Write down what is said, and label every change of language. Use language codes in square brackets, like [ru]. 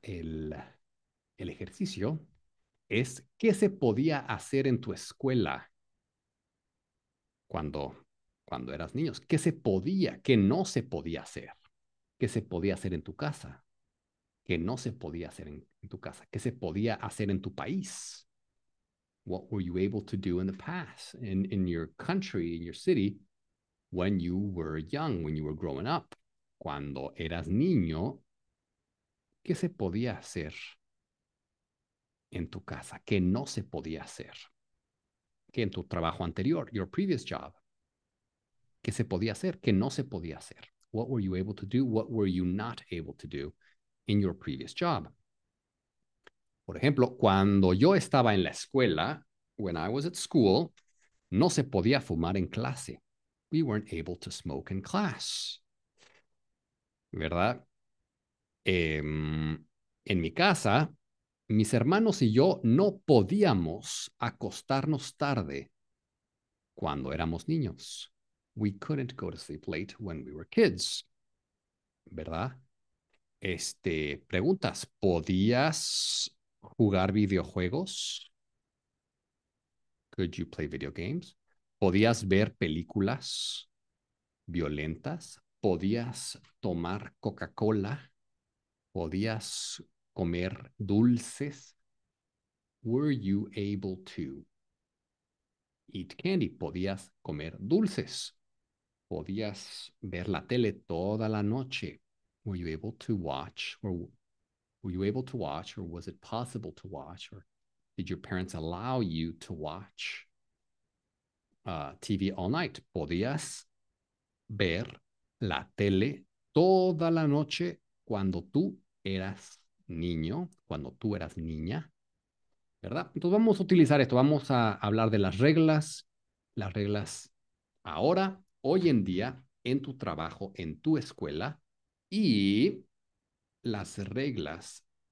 [es] El ejercicio es, ¿qué se podía hacer en tu escuela cuando eras niño? ¿Qué se podía, qué no se podía hacer? ¿Qué se podía hacer en tu casa? Que no se podía hacer en tu casa. ¿Qué se podía hacer en tu país? [en] What were you able to do in the past, in your country, in your city, when you were young, when you were growing up? [es] Cuando eras niño, ¿qué se podía hacer en tu casa? ¿Qué no se podía hacer? ¿Qué en tu trabajo anterior, [en] your previous job? [es] ¿Qué se podía hacer? ¿Qué no se podía hacer? [en] What were you able to do? What were you not able to do in your previous job? [es] Por ejemplo, cuando yo estaba en la escuela, [en] when I was at school, [es] no se podía fumar en clase. [en] We weren't able to smoke in class. ¿Verdad? [es] En mi casa, mis hermanos y yo no podíamos acostarnos tarde cuando éramos niños. [en] We couldn't go to sleep late when we were kids. [es] ¿Verdad? Preguntas, ¿podías jugar videojuegos? [en] Could you play video games? [es] ¿Podías ver películas violentas? ¿Podías tomar Coca-Cola? ¿Podías comer dulces? [en] Were you able to eat candy? [es] ¿Podías comer dulces? ¿Podías ver la tele toda la noche? [en] Were you able to watch, or were you able to watch, or was it possible to watch, or did your parents allow you to watch TV all night? [es] ¿Podías ver la tele toda la noche cuando tú eras niño, cuando tú eras niña? ¿Verdad? Entonces vamos a utilizar esto, vamos a hablar de las reglas ahora, hoy en día, en tu trabajo, en tu escuela, y las reglas